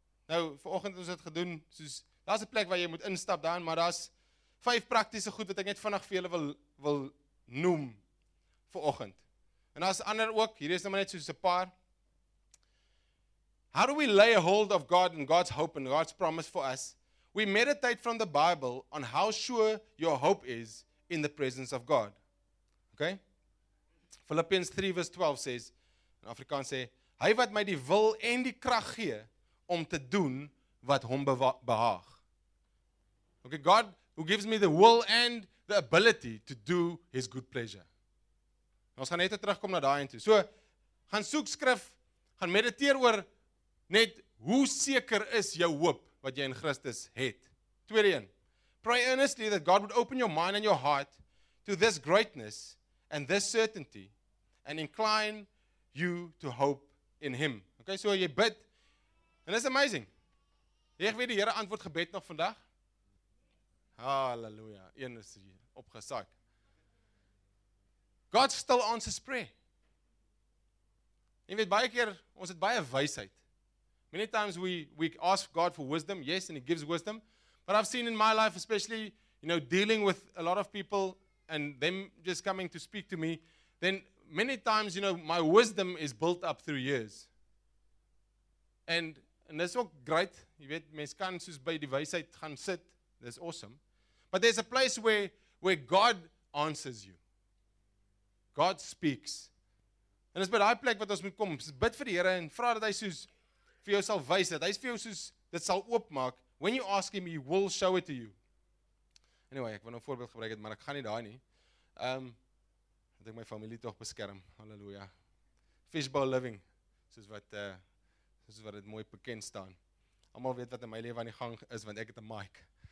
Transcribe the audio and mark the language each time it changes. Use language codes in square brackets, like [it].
[af] Nou, vanoggend ons het gedoen, soos, daar's 'n plek waar jy moet instap daarin, maar daar's 5 praktiese goed wat ek net vinnig vir julle wil noem vanoggend. En daar's ander ook, hier is nou maar net soos 'n paar. [en] How do we lay a hold of God and God's hope and God's promise for us? We meditate from the Bible on how sure your hope is in the presence of God. Okay? Philippians 3 verse 12 says, in Afrikaans [af] sê, Hy wat my die wil en die krag gee om te doen wat hom behaag. [en] Okay, God who gives me the will and the ability to do his good pleasure. [af] Ons gaan net terugkom na daai en toe. So, gaan soek skrif, gaan mediteer oor net hoe seker is jou hoop wat jy in Christus het. Tweede een, [en] pray earnestly that God would open your mind and your heart to this greatness and this certainty and incline you to hope in him. [af] Okay, so jy bid. [en] And it's amazing. [af] Heeg weer die Here antwoord gebed nog vandag? Hallelujah. Een is hier opgesak. [en] God still answers prayer. [af] Jy weet baie keer ons het baie wysheid. [en] Many times we ask God for wisdom, yes, and he gives wisdom. But I've seen in my life especially, you know, dealing with a lot of people and them just coming to speak to me, then many times, you know, my wisdom is built up through years. And that's ook great. [af] Jy weet, mens kan soos by die wysheid gaan sit. [en] That's awesome. But there's a place where God answers you. God speaks. And it's [af] by daai plek wat ons moet kom. Bid vir die Here en vra dat hy soos vir jou sal wys dat hy vir jou soos dit sal oopmaak. [en] When you ask him, he will show it to you. [af] Anyway, ek wil 'n voorbeeld gebruik het, maar ek gaan nie daai nie. Dat ek my familie tog beskerm. Halleluja. [en] Fishbowl living. [af] Soos wat dit mooi bekend staan. Almal weet wat in my lewe aan die gang is, want ek het 'n mic.